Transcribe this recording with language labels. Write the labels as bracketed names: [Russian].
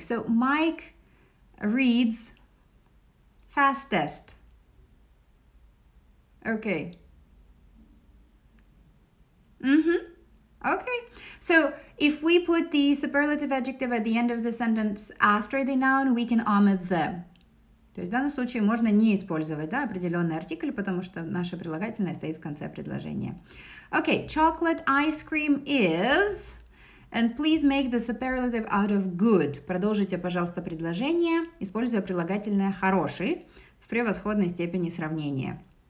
[English] So, Mike reads fastest. Okay. Mm-hmm. Okay. So, if we put the superlative adjective at the end of the sentence after the noun, we can omit the. [Russian] То есть в данном случае можно не использовать, да, определенный артикль, потому что наше прилагательное стоит в конце предложения. [English] Okay, chocolate ice cream is... And please make the superlative out of good. [Russian] Продолжите, пожалуйста, предложение, используя прилагательное «хороший» в превосходной степени сравнения.